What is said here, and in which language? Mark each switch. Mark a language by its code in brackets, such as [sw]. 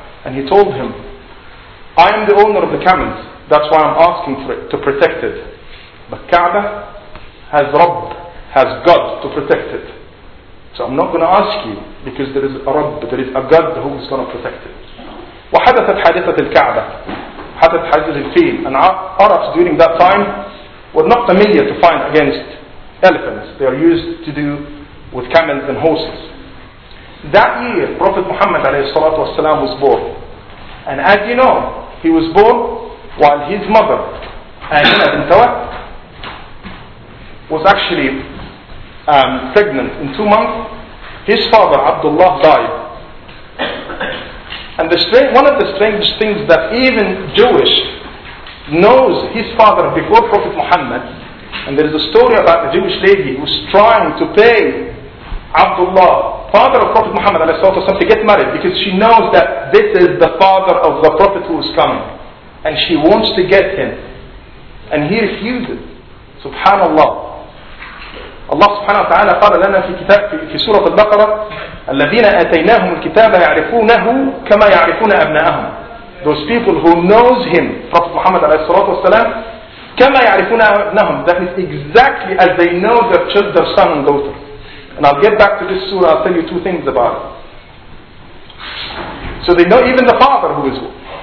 [en] And he told him, I am the owner of the camel. That's why I'm asking for it, to protect it. But Kaaba has Rabb, has God to protect it. So I'm not going to ask you, because there is a Rabb, there is a God who is going to protect it. [ar] وحدثت حادثة الكعبة حدثت حادثة الفيل. [en] And Arabs during that time were not familiar to fight against elephants. They are used to do with camels and horses. That year Prophet Muhammad عليه الصلاة والسلام was born. And as you know, he was born while his mother Amina bint Wahb was actually pregnant. In 2 months his father Abdullah died. And one of the strange things that even Jewish knows his father before Prophet Muhammad, and there is a story about a Jewish lady who is trying to pay Abdullah, father of Prophet Muhammad ﷺ, to get married, because she knows that this is the father of the Prophet who is coming, and she wants to get him, and he refuses. Subhanallah. [ar] الله سبحانه وتعالى قال لنا في كتاب في سورة البقرة الذين آتيناهم الكتاب يعرفونه كما يعرفون أبناءهم. [en] Those people who knows him, Prophet Muhammad عليه الصلاة والسلام, [ar] كما يعرفون أبناءهم. [en] That is exactly as they know their children, their son and daughter. And I'll get back to this surah. I'll tell you two things about it. So they know even the father who is born.